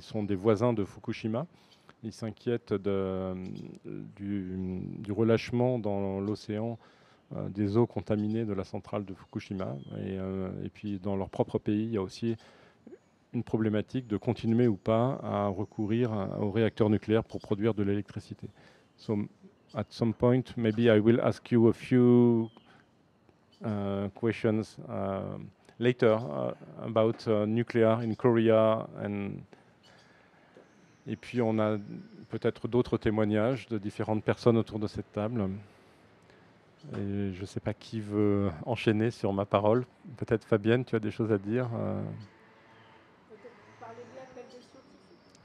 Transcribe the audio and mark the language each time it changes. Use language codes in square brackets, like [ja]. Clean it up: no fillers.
[fr] Ils sont des voisins de Fukushima. Ils s'inquiètent du relâchement dans l'océan des eaux contaminées de la centrale de Fukushima. Et puis, dans leur propre pays, il y a aussi une problématique de continuer ou pas à recourir aux réacteurs nucléaires pour produire de l'électricité. [en] So, at some point, maybe I will ask you a few questions later about nuclear in Korea and... [fr] Et puis, on a peut-être d'autres témoignages de différentes personnes autour de cette table. Et je ne sais pas qui veut enchaîner sur ma parole. Peut-être Fabienne, tu as des choses à dire. Peut-être parler de l'appel de scientifiques.